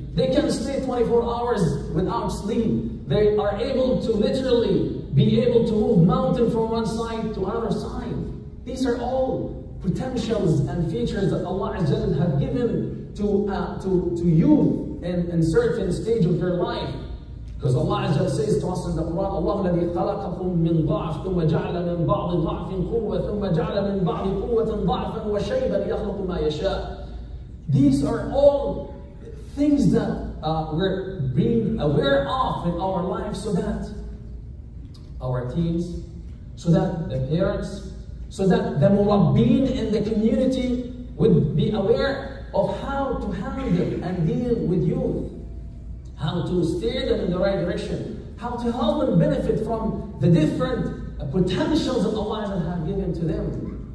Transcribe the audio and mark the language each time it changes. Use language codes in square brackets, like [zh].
[en] They can stay 24 hours without sleep. They are able to literally be able to move mountain from one side to another side. These are all potentials and features that Allah Azza wa Jalla have given to youth in certain stage of their life. Because Allah Azza wa Jalla says to us in the Quran, Allah [ar] الذي خلقكم من ضعف ثم جعل من بعض ضعف قوة ثم جعل من بعض قوة ضعفا وشيبا يخلق ما يشاء. [en] These are all things that we're being aware of in our life, so that our teens, so that the parents, so that the murabbeen in the community would be aware of how to handle and deal with youth, how to steer them in the right direction, how to help them benefit from the different potentials that Allah has given to them.